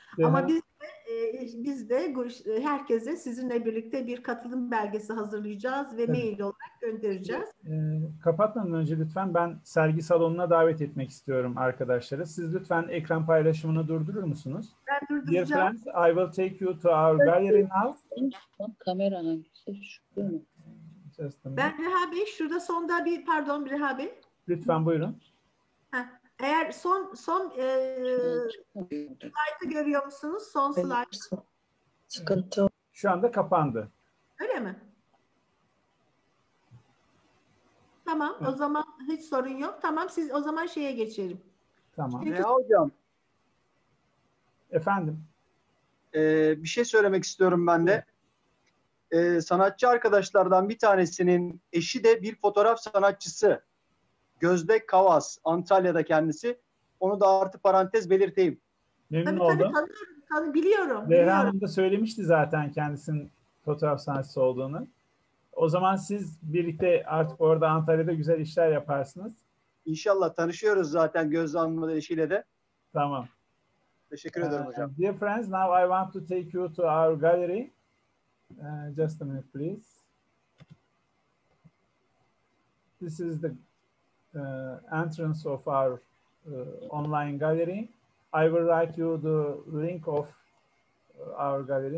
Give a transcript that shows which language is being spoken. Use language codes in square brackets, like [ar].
[tr] Değil ama biz de herkese sizinle birlikte bir katılım belgesi hazırlayacağız ve mail olarak göndereceğiz. Kapatmadan önce lütfen ben sergi salonuna davet etmek istiyorum arkadaşları. Siz lütfen ekran paylaşımını durdurur musunuz? Ben durduracağım. [en] Dear friends, I will take you to our gallery now. [tr] Kameranın şu. Ben Reha Bey, şurada sonda bir, pardon Reha Bey. Lütfen buyurun. Eğer son slide'ı görüyor musunuz? Son slide. Sıkıntı. Şu anda kapandı. Öyle mi? Tamam. Evet. O zaman hiç sorun yok. Tamam. Siz o zaman şeye geçelim. Tamam. Çünkü... Ne hocam? Efendim? Bir şey söylemek istiyorum ben de. Sanatçı arkadaşlardan bir tanesinin eşi de bir fotoğraf sanatçısı. Gözde Kavas, Antalya'da kendisi. Onu da artı parantez belirteyim. Memnun oldum. Tabii, biliyorum. Zehra Hanım da söylemişti zaten kendisinin fotoğraf sanatçısı olduğunu. O zaman siz birlikte artık orada Antalya'da güzel işler yaparsınız. İnşallah tanışıyoruz zaten Gözde Hanım'la eşiyle de. Tamam. Teşekkür ederim hocam. [en] Dear friends, now I want to take you to our gallery. Just a minute, please. This is the entrance of our online gallery. I will write you the link of our gallery.